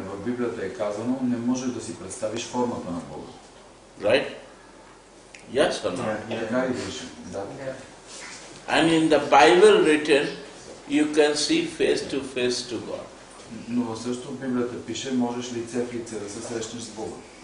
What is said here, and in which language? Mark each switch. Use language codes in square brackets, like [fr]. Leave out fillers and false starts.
[bg] В Библията е казано, не можеш да си представиш формата на Бога. [en] Right? Yes or no? Yeah. And in the Bible written, you can see face to face to God. [bg] Но в същото Библията пише, можеш лице в лице да се срещнеш с Бога.